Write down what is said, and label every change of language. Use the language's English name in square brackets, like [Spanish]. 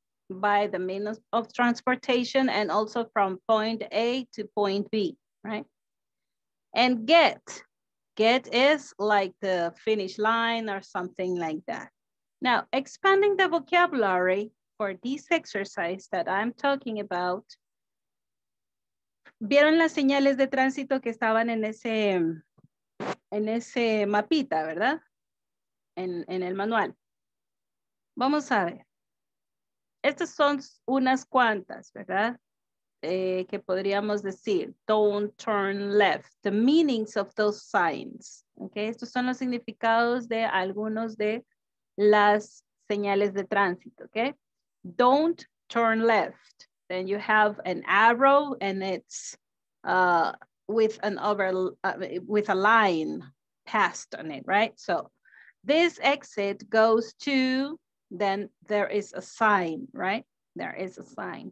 [English] By the means of transportation and also from point A to point B, right? And get is like the finish line or something like that. Now, expanding the vocabulary for this exercise that I'm talking about. [Spanish] ¿Vieron las señales de tránsito que estaban en ese mapita, verdad? En el manual. Vamos a ver. Estas son unas cuantas, ¿verdad? Que podríamos decir, [English] don't turn left, the meanings of those signs. [Spanish] Okay, estos son los significados de algunos de las señales de tránsito, okay? [English] Don't turn left. Then you have an arrow and it's with a line passed on it, right? So this exit goes to, then there is a sign, right? There is a sign.